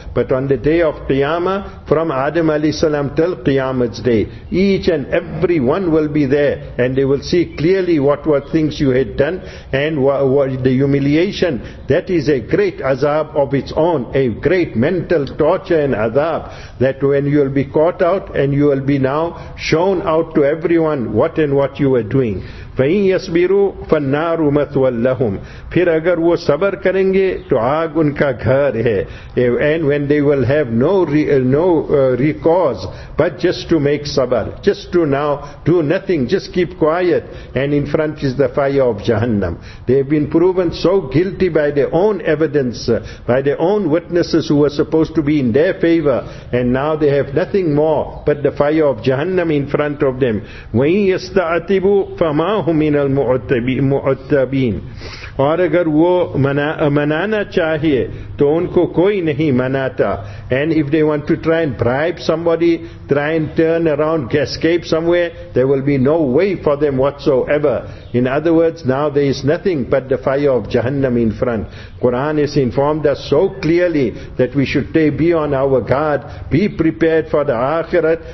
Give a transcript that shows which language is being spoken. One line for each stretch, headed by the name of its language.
English: But on the day of Qiyamah, from Adam alayhi salam till Qiyamah's day, each and every one will be there, and they will see clearly what were things you had done, and what the humiliation. That is a great azab of its own, a great mental torture and azab, that when you will be caught out and you will be now shown out to everyone what and what you were doing.
Arabic: فَإِنْ يَصْبِرُوا فَالنَّارُ مَثْوًى لَهُمْ.
Urdu: پھر اگر وہ صبر کریں گے تو آگ ان کا گھر ہے.
English: And when they will have no recourse but just to make sabr, just to now do nothing, just keep quiet, and in front is the fire of Jahannam. They have been proven so guilty by their own evidence, by their own witnesses who were supposed to be in their favor, and now they have nothing more but the fire of Jahannam in front of them.
Arabic: وَإِنْ يَسْتَعْتِبُوا فَمَا من المعتبین.
Urdu: اور اگر وہ منانا چاہیے تو ان کو کوئی نہیں مناتا.
English: And if they want to try and bribe somebody, try and turn around, escape somewhere, there will be no way for them whatsoever. In other words, now there is nothing but the fire of Jahannam in front. Quran has informed us so clearly that we should be on our guard, be prepared for the akhirat.